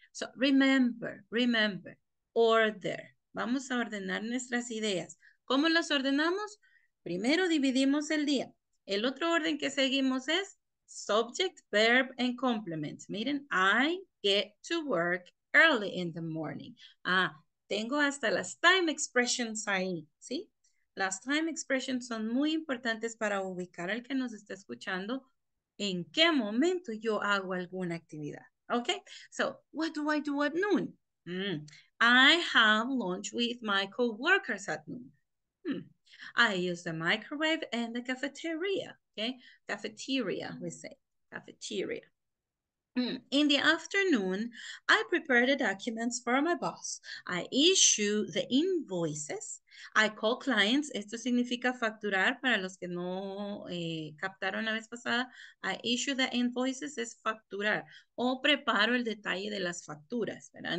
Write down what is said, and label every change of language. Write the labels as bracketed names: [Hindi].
[English] So remember, order. [Spanish] Vamos a ordenar nuestras ideas. ¿Cómo las ordenamos? Primero dividimos el día. El otro orden que seguimos es [English] subject, verb, and complement. Miren, I get to work early in the morning. [Spanish] Ah, tengo hasta las time expressions ahí, ¿sí? Las time expressions son muy importantes para ubicar al que nos está escuchando en qué momento yo hago alguna actividad, okay? [English] So, what do I do at noon? I have lunch with my coworkers at noon. I use the microwave and the cafeteria. Okay, cafeteria, we say, cafeteria. In the afternoon, I prepare the documents for my boss. I issue the invoices. I call clients. [Spanish] Esto significa facturar para los que no captaron la vez pasada. [English] I issue the invoices [Spanish] es facturar. O preparo el detalle de las facturas, ¿verdad?